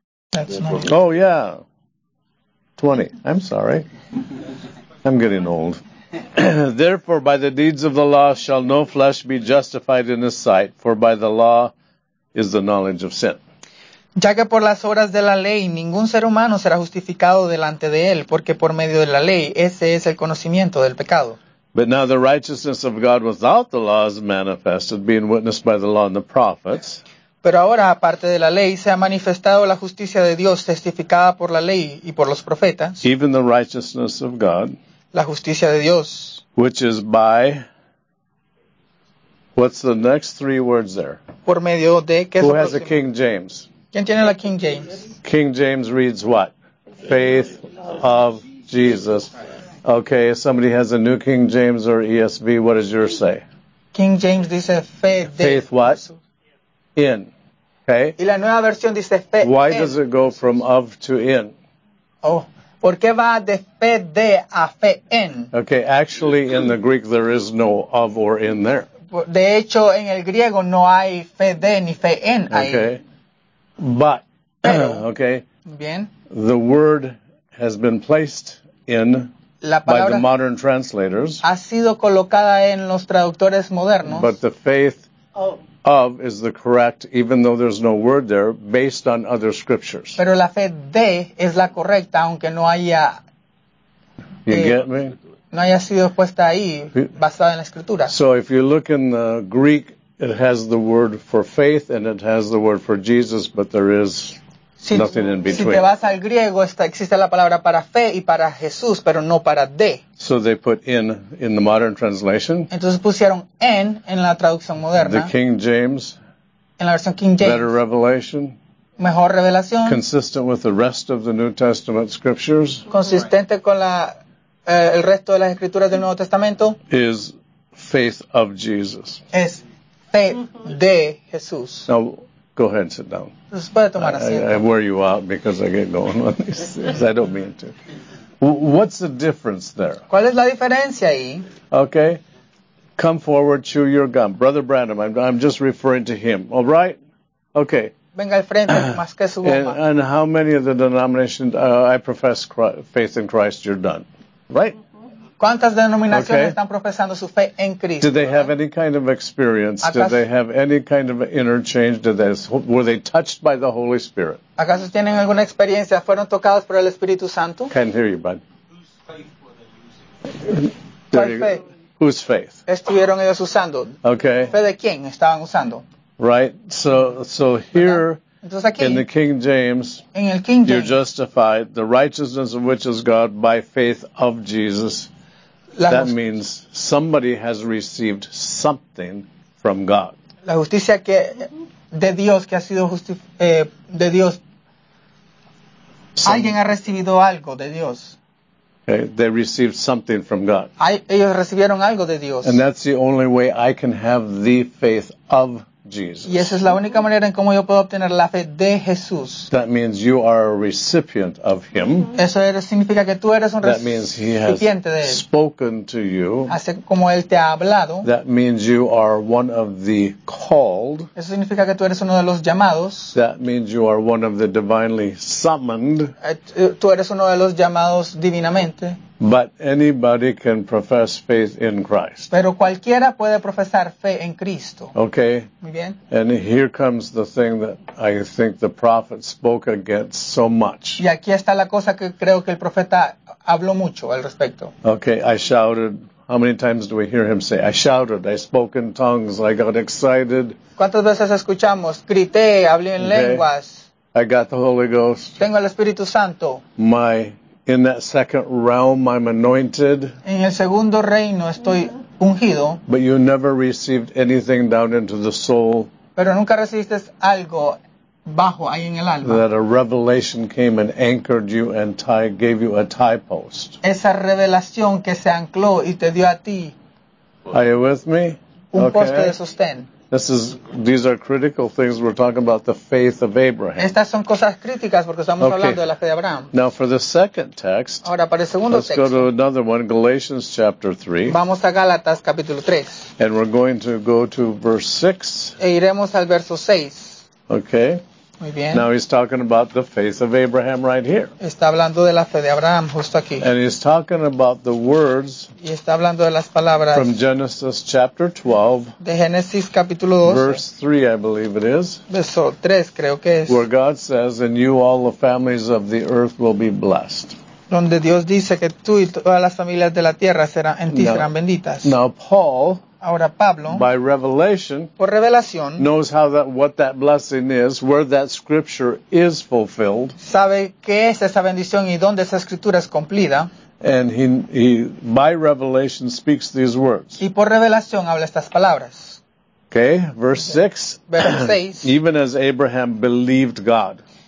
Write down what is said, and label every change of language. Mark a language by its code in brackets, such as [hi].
[en] That's not. Oh, yeah. 20. I'm sorry. I'm getting old. Therefore, by the deeds of the law shall no flesh be justified in his sight, for by the law is the knowledge of sin. [es] Ya que por las obras de la ley ningún ser humano será justificado delante de él, porque por medio de la ley ese es el conocimiento del pecado. [en] But now the righteousness of God without the law is manifested, being witnessed by the law and the prophets. [es] Pero ahora, aparte de la ley, se ha manifestado la justicia de Dios testificada por la ley y por los profetas. [en] Even the righteousness of God. [es] La justicia de Dios. [en] Which is by. What's the next three words there? [es] Por medio de. ¿Qué es [en] Who has a King James? [es] ¿Quién tiene la King James? [en] King James reads what? Faith of Jesus. Okay, if somebody has a new King James or ESV, what does yours say? [es] King James dice [en] faith. Faith what? In. Okay? [es] Y la nueva versión dice fe. [en] Why does it go from of to in? [es] Oh, ¿por qué va de fe de a fe en? [en] Okay, actually in the Greek there is no of or in there. [es] De hecho, en el griego no hay fe de ni fe en ahí. [en] Okay. But, okay, [es] bien. [en] The word has been placed in by the modern translators. [es] Ha sido colocada en los traductores modernos. [en] But the faith of is the correct, even though there's no word there, based on other scriptures. [es] Pero la fe de es la correcta, aunque no haya. [en] You get me? [es] No haya sido puesta ahí, basada en la escritura. [en] So if you look in the Greek, it has the word for faith and it has the word for Jesus, but there is nothing in between. [es] Si te vas al griego, existe la palabra para fe y para Jesús, pero no para de. [en] So they put in the modern translation. [es] Entonces pusieron en la traducción moderna. [en] The King James. [es] En la versión King James. [en] Better revelation. [es] Mejor revelación. [en] Consistent with the rest of the New Testament scriptures. [es] Consistente con la el resto de las escrituras del Nuevo Testamento. [en] Is faith of Jesus. [es] Es fe de Jesús. [en] No, go ahead and sit down. [es] Puede tomar asiento. [en] I wear you out because I get going on these things. I don't mean to. What's the difference there? [es] ¿Cuál es la diferencia ahí? [en] Okay. Come forward, chew your gum. Brother Branham, I'm just referring to him. All right? Okay. [es] Venga al frente, más que su goma. [en] And how many of the denominations, I profess faith in Christ, you're done. Right? [es] ¿Cuántas denominaciones okay. están profesando su fe en Cristo? [en] Did they have any kind of experience? Did they have any kind of interchange? Were they touched by the Holy Spirit? [es] ¿Acaso tienen alguna experiencia? ¿Fueron tocados por el Espíritu Santo? [en] Can't hear you, bud. Whose faith were they using? [es] ¿Cuál fe? [en] Whose faith? [es] ¿Estuvieron ellos usando? [en] Okay. [es] ¿Fe de quién estaban usando? [en] Right. So here, [es] Entonces aquí, [en] in the King James, [es] en el King James, [en] you're justified, the righteousness of which is God by faith of Jesus. That means somebody has received something from God. [es] La justicia que de Dios que ha sido de Dios. Alguien ha recibido algo de Dios. [en] Okay, they received something from God. [es] Ellos recibieron algo de Dios. [en] And that's the only way I can have the faith of Jesus. [es] Y esa es la única manera en cómo yo puedo obtener la fe de Jesús. [en] That means you are a recipient of him. [es] Eso significa que tú eres un recipiente de él. [en] That means he has spoken to you. [es] Así como él te ha hablado. [en] That means you are one of the called. [es] Eso significa que tú eres uno de los llamados. [en] That means you are one of the divinely summoned. [es] Tú eres uno de los llamados divinamente. [en] But anybody can profess faith in Christ. [es] Pero cualquiera puede profesar fe en Cristo. [en] Okay. [es] Muy bien. [en] And here comes the thing that I think the prophet spoke against so much. [es] Y aquí está la cosa que creo que el profeta habló mucho al respecto. [en] Okay, I shouted. How many times do we hear him say, I shouted, I spoke in tongues, I got excited. [es] ¿Cuántas veces escuchamos? Grité, hablé en lenguas. [en] I got the Holy Ghost. [es] Tengo el Espíritu Santo. [en] My In that second realm, I'm anointed. [es] En el segundo reino estoy ungido. [en] But you never received anything down into the soul. [es] Pero nunca recibiste algo bajo ahí en el alma. [en] That a revelation came and anchored you and gave you a tie post. [es] Esa revelación que se ancló y te dio a ti. [en] Are you with me? [es] Un poste de sostén. [en] These are critical things. We're talking about the faith of Abraham. [es] Estas son cosas críticas porque estamos hablando de la fe de Abraham. [en] Now for the second text. [es] Ahora para el segundo [en] texto. Let's go to another one, Galatians chapter 3. [es] Vamos a Gálatas capítulo 3. [en] And we're going to go to verse 6. [es] E iremos al verso 6. [en] Okay. [es] Muy bien. [en] Now he's talking about the faith of Abraham right here. [es] Está hablando de la fe de Abraham justo aquí. [en] And he's talking about the words [es] y está hablando de las palabras [en] from Genesis chapter 12, [es] de Génesis capítulo 12, [en] verse 3, I believe it is, [es] verso 3, creo que es, [en] where God says, and you all the families of the earth will be blessed. [es] Donde Dios dice que tú y todas las familias de la tierra serán, en ti serán benditas. [en] Now Paul, [es] ahora Pablo, [en] by revelation, [es] por revelación, [en] knows what that blessing is, where that scripture is fulfilled. [es] Sabe qué es esa bendición y dónde esa escritura es cumplida. [en] And he by revelation speaks these words. [es] Y por revelación habla estas palabras. [en] Okay, verse 6. Verse 6. Even as Abraham believed God.